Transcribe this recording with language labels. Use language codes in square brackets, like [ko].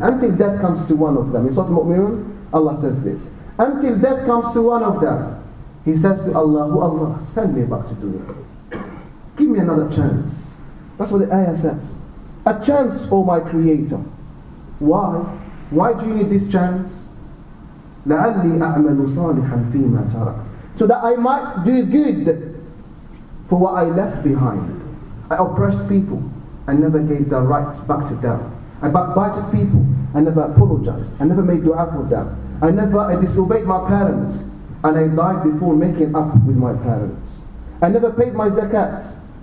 [en] Until death comes to one of them. In Surah Al-Mu'minun, Allah says this. Until death comes to one of them, he says to Allah, oh Allah, send me back to dunya. Give me another chance. That's what the ayah says. A chance, O my Creator. Why? Why do you need this chance? [ar] لعلي أعمل صالحا فيما تركت. [en] So that I might do good for what I left behind. I oppressed people. I never gave the rights back to them. I backbited people. I never apologized. I never made dua for them. I disobeyed my parents. And I died before making up with my parents. I never paid my zakat.